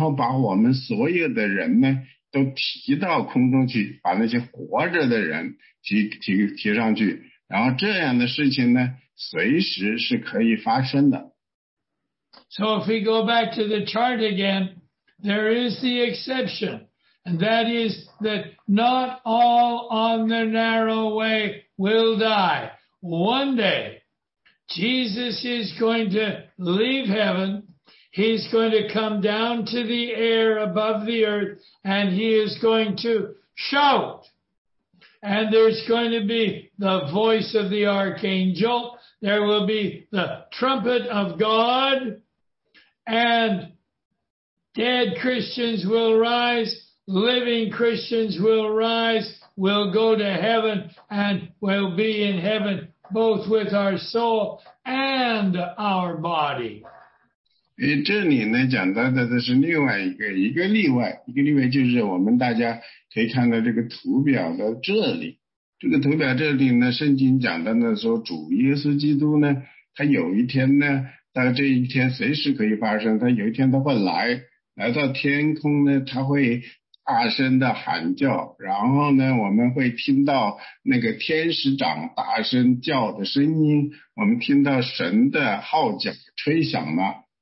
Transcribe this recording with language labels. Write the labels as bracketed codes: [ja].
[zh] 这里讲的呢，就是这一句话，就是教会被提。教会被提呢，就是说，当那个时候主耶稣基督呢，他再次来的时候，他会停留在空中，然后把我们所有的人呢， 都提到空中去，把那些活着的人提上去，然后这样的事情呢，随时是可以发生的。 [en] So if we go back to the chart again, there is the exception, and that is that not all on the narrow way will die. One day, Jesus is going to leave heaven. He's going to come down to the air above the earth, and he is going to shout. And there's going to be the voice of the archangel. There will be the trumpet of God. And dead Christians will rise. Living Christians will rise. We'll go to heaven, and we'll be in heaven, both with our soul and our body. [zh] 这里呢讲到的是另外一个例外，一个例外就是我们大家可以看到这个图表的这里，这个图表这里呢，圣经讲到的说，主耶稣基督呢，他有一天呢，到这一天随时可以发生，他有一天他会来到天空呢，他会大声的喊叫，然后呢，我们会听到那个天使长大声叫的声音，我们听到神的号角吹响了。